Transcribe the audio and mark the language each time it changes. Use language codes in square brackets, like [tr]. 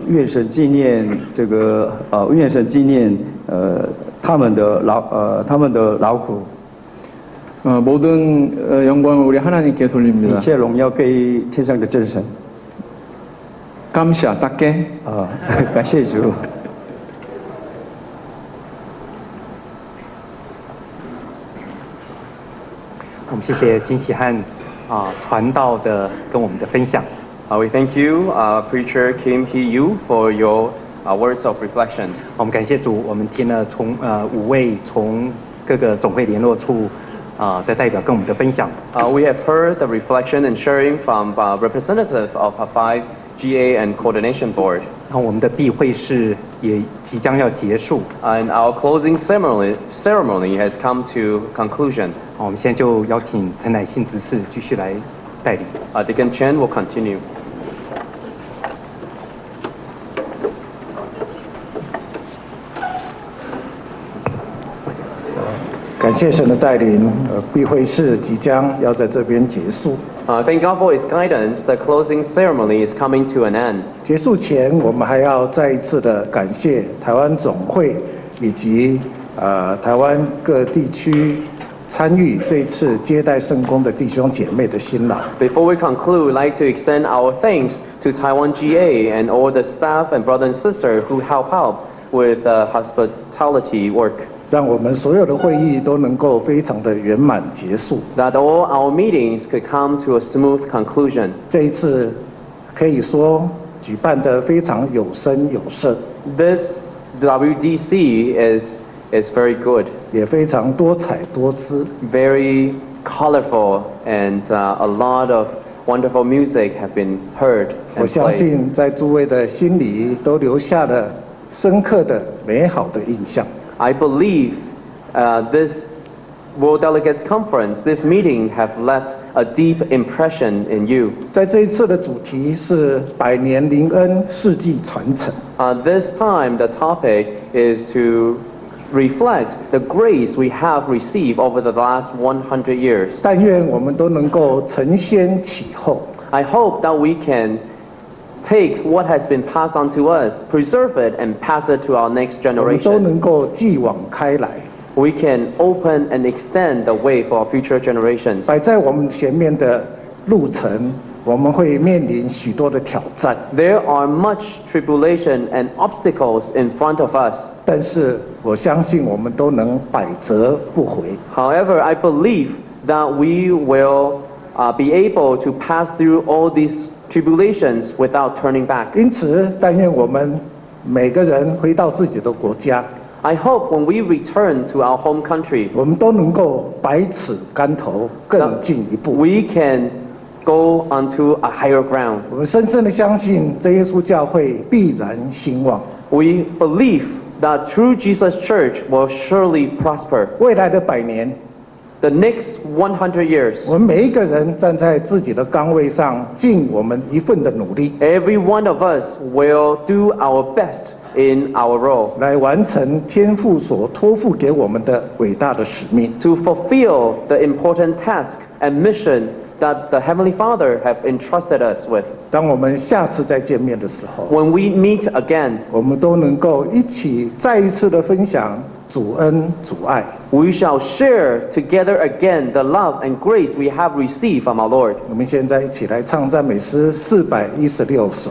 [zh] 愿神纪念这个愿神纪念他们的劳苦 [ko] 모든영광을우리하나님께돌립니다 [zh] 一切荣耀归天上的真神 [ko] 감사딱게 [zh] 感谢主我们谢谢金喜汉传道的跟我们的分享。 [en] We thank you, Preacher Kim Hee Yu, for your words of reflection. [zh] 我们感谢主，我们听了从五位从各个总会联络处的代表跟我们的分享。 [en] We have heard the reflection and sharing from representative of a five GA and coordination board. [zh] 那我们的闭会式也即将要结束。 [en] And our closing ceremony has come to conclusion. [zh] 我们现在就邀请陈乃信执事继续来带领。 [en] Deacon Chen will continue. [zh] 感谢神的带领，闭会式即将要在这边结束。 [en] Thank God for His guidance. The closing ceremony is coming to an end. [zh] 结束前，我们还要再一次的感谢台湾总会以及台湾各地区参与这次接待圣工的弟兄姐妹的辛劳。 [en] Before we conclude, we'd like to extend our thanks to Taiwan GA and all the staff and brothers and sisters who help out with the hospitality work. [zh] 让我们所有的会议都能够非常的圆满结束。 [en] That all our meetings could come to a smooth conclusion. [zh] 这一次可以说举办得非常有声有色。 [en] This WDC is very good. [zh] 也非常多彩多姿。 [en] Very colorful and a lot of wonderful music have been heard. [zh] 我相信在诸位的心里都留下了深刻的美好的印象。 [en] I believe this World Delegates Conference, this meeting have left a deep impression in you. [zh] 在这一次的主题是百年灵恩世纪传承。 [en] This time the topic is to reflect the grace we have received over the last 100 years. [zh] 但愿我们都能够承先启后。 [en] I hope that we can take what has been passed on to us, preserve it, and pass it to our next generation. [zh] 我们都能够继往开来。 [en] We can open and extend the way for our future generations. [zh] 摆在我们前面的路程，我们会面临许多的挑战。 [en] There are much tribulation and obstacles in front of us. [zh] 但是我相信我们都能百折不回。 [en] However, I believe that we will be able to pass through all these. Tribulations without turning back. [zh] 因此，但愿我们每个人回到自己的国家。 [en] I hope when we return to our home country, [zh] 我们都能够百尺竿头更进一步。 [en] We can go onto a higher ground. [zh] 我们深深地相信，这耶稣教会必然兴旺。 [en] We believe that true Jesus Church will surely prosper. [zh] 未来的百年。 [en] The next 100 years, [zh] 我们每一个人站在自己的岗位上，尽我们一份的努力。 [en] Every one of us will do our best in our role, [zh] 来完成天父所托付给我们的伟大的使命。 [en] To fulfill the important task and mission that the Heavenly Father have entrusted us with. [zh] 当我们下次再见面的时候 [en] ，When we meet again, [zh] 我们都能够一起再一次的分享。主恩主爱 [en] We shall share together again the love and grace we have received from our Lord. [zh] 我们现在一起来唱赞美诗416首